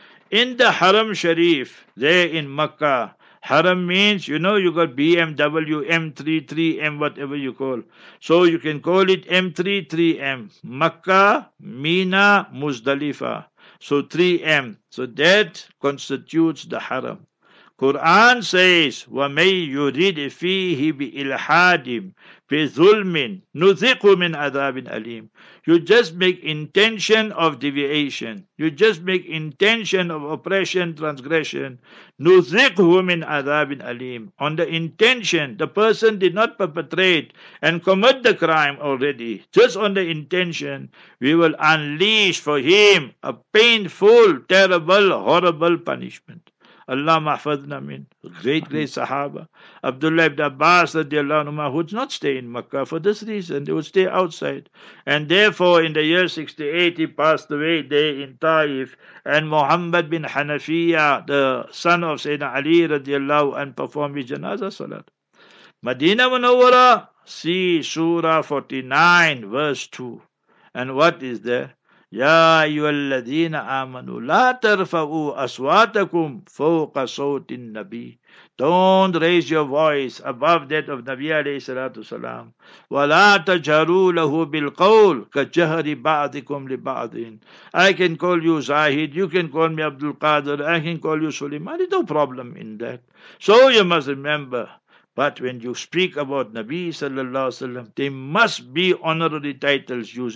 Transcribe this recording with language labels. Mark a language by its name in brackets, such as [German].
[English] In the Haram Sharif, there in Makkah, Haram means, you know, you got BMW, M3, 3M, whatever you call. So you can call it M3, 3M. Makkah, Mina, Muzdalifah. So 3M. So that constitutes the Haram. Quran says, [Arabic] وَمَنْ يُرِدْ فِيهِ بِإِلْحَادِمْ بِظُلْمٍ نُذِقُ مِنْ عَذَابٍ أَلِيمٍ. [English] You just make intention of deviation. You just make intention of oppression, transgression. [Arabic] نُذِقُهُ مِنْ عَذَابٍ أَلِيمٍ. [English] On the intention, the person did not perpetrate and commit the crime already. Just on the intention, we will unleash for him a painful, terrible, horrible punishment. [Arabic] Allah mahfadna min. [English] Great, great Sahaba. Abdullah ibn Abbas radiallahu anhu would not stay in Makkah for this reason. They would stay outside. And therefore, in the year 68, he passed away there in Taif. And Muhammad bin Hanafiya, the son of Sayyidina Ali radiallahu anhu, and performed his janazah salat. Medina Munawwara, see Surah 49, verse 2. And what is there? [Arabic] يا أيها الذين آمنوا لا ترفعوا أصواتكم فوق صوت النبي. [English] Don't raise your voice above that of Nabi [Arabic] عليه الصلاة والسلام. ولا تجهروا له بالقول كجهر بعضكم لبعض. [English] I can call you Zahid, you can call me Abdul Qadir, I can call you Suleiman, no problem in that. So you must remember. But when you speak about Nabi sallallahu alaihi wasallam, they must be honorary titles used.